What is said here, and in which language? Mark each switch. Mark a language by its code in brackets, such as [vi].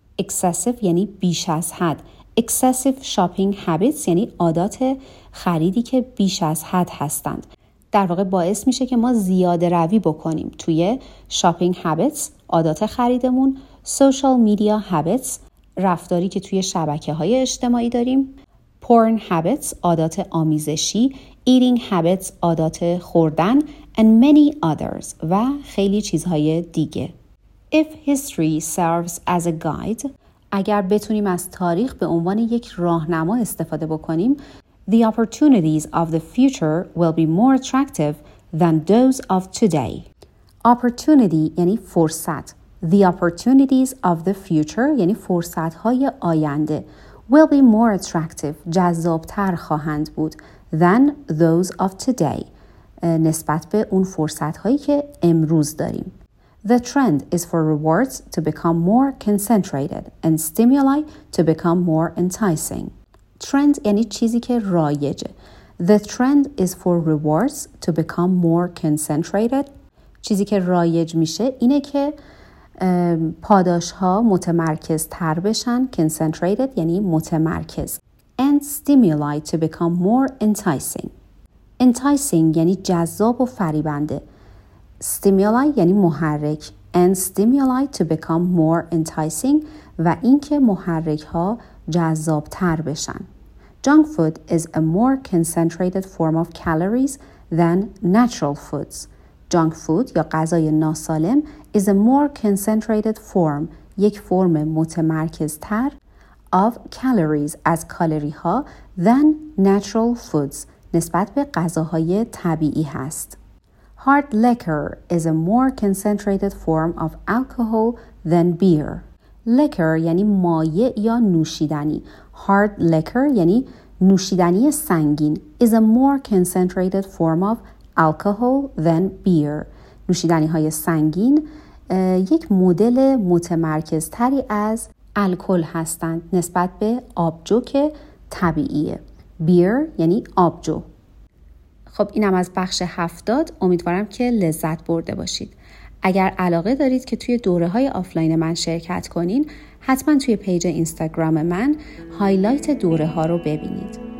[fa] Excessive یعنی بیش از حد. [en] Excessive shopping habits [fa] یعنی عادات خریدی که بیش از حد هستند. در واقع باعث میشه که ما زیاده روی بکنیم توی [en] shopping habits، [fa] عادات خریدمون. [en] Social media habits، [fa] رفتاری که توی شبکه های اجتماعی داریم. [en] Porn habits، [fa] عادات آمیزشی. [en] Eating habits، [fa] عادات خوردن. [en] And many others، [fa] و خیلی چیزهای دیگه. [en] If history serves as a guide، [fa] اگر بتونیم از تاریخ به عنوان یک راهنما استفاده بکنیم، [en] the opportunities of the future will be more attractive than those of today. [fa] Opportunity یعنی فرصت. [en] The opportunities of the future [fa] یعنی فرصت‌های آینده. [en] Will be more attractive، [fa] جذاب‌تر خواهند بود، [en] than those of today، [fa] نسبت به اون فرصت‌هایی که امروز داریم. [en] The trend is for rewards to become more concentrated and stimuli to become more enticing. [fa] Trend یعنی چیزی که رایجه. [en] The trend is for rewards to become more concentrated. [fa] چیزی که رایج میشه اینه که پاداش ها متمرکز تر بشن. Concentrated یعنی متمرکز. [en] And stimuli to become more enticing. [fa] Enticing یعنی جذاب و فریبنده. Stimuli یعنی محرک. [en] And stimuli to become more enticing [fa] و اینکه محرک ها جذاب تر بشن. [en] Junk food is a more concentrated form of calories than natural foods. [fa] Junk food یا غذای ناسالم [en] is a more concentrated form, [fa] یک فرم متمرکز تر [en] of calories [fa] از کالری ها [en] than natural foods [fa] نسبت به غذاهای طبیعی هست. [en] Hard liquor is a more concentrated form of alcohol than beer. [fa] Liquor یعنی مایع یا نوشیدنی. [en] Hard liquor [fa] یعنی نوشیدنی سنگین [en] is a more concentrated form of alcohol than beer. [fa] نوشیدنی های سنگین یک مدل متمرکز تری از الکل هستند نسبت به آبجو که طبیعیه. Beer یعنی آبجو. خب اینم از بخش 70. امیدوارم که لذت برده باشید. اگر علاقه دارید که توی دوره های آفلاین من شرکت کنین، حتما توی پیج اینستاگرام من هایلایت دوره ها رو ببینید.